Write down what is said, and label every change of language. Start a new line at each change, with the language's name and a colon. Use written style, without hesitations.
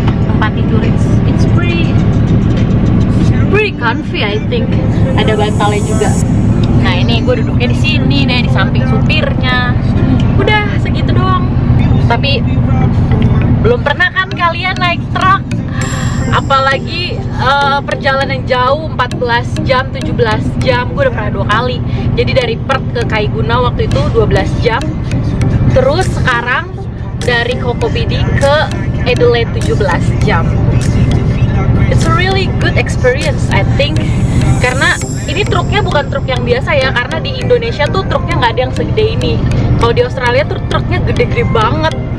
Indonesian: Tempat tidur
English: it's pretty comfy I think.
Indonesian: Ada bantalnya juga. Nah ini gue duduknya di sini deh, di samping supirnya. Udah segitu doang. Tapi belum pernah kan kalian naik truk? Apalagi perjalanan jauh 14 jam, 17 jam, gue udah pernah 2 kali. Jadi dari Perth ke Kaiguna waktu itu 12 jam. Terus sekarang dari Kokopidi ke Adelaide 17 jam.
English: It's a really good experience, I think.
Indonesian: Karena ini truknya bukan truk yang biasa ya, karena di Indonesia tuh truknya gak ada yang segede ini. Kalau di Australia tuh truknya gede-gede banget.